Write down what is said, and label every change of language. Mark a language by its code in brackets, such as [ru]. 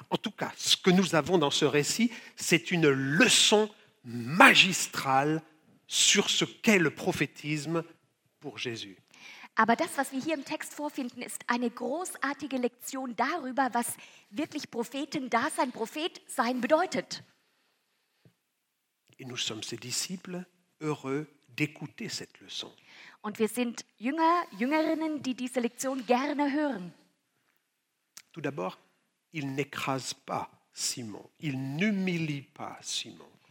[fr] En tout cas, ce que nous avons dans ce récit, c'est une leçon magistrale sur ce qu'est le prophétisme pour Jésus. [de] Aber das, was wir hier im Text vorfinden, ist eine großartige Lektion darüber, was wirklich Prophetendasein, Prophetsein bedeutet. [fr] Et nous sommes ses disciples, heureux d'écouter cette leçon. [de] Und wir sind Jünger, Jüngerinnen, die diese Lektion gerne hören. [fr] Tout d'abord, il n'écrase pas Simon, il n'humilie pas Simon.